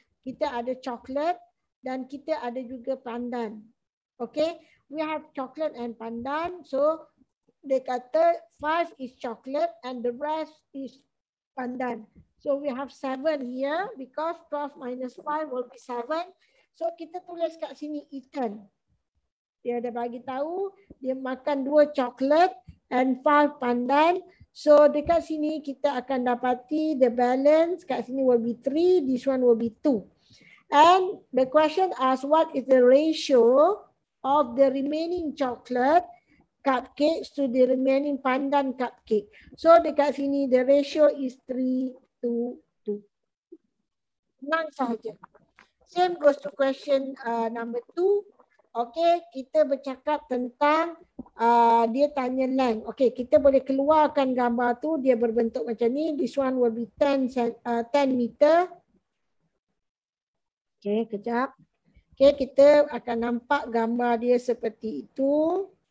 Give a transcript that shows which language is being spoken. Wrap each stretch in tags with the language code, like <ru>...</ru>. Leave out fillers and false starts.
<ms>Kita ada coklat dan kita ada juga pandan.</ms> <en>Okay, we have chocolate and pandan. So,</en> <ms>dia kata</ms> <en>5 is chocolate and the rest is pandan. So, we have 7 here because 12 minus 5 will be 7.</en> <ms>So, kita tulis kat sini eaten. Dia ada bagi tahu dia makan 2</ms> <en>chocolate and</en> <ms>5 pandan. So, dekat sini kita akan dapati</ms> <en>the balance.</en> <ms>Kat sini</ms> <en>will be 3, this one will be 2. And the question asks, what is the ratio of the remaining chocolate cupcakes to the remaining pandan cupcake? So,</en> <ms>dekat sini</ms> <en>the ratio is 3-2.</en> <ms>Senang sahaja.</ms> <en>Same goes to question number 2.</en> <ms>Okay, kita bercakap tentang dia tanya length. Okay, kita boleh keluarkan gambar tu. Dia berbentuk macam ni.</ms> <en>This one will be 10 meter.</en> <ms>Okay, kejap. Okay, kita akan nampak gambar dia seperti itu.</ms>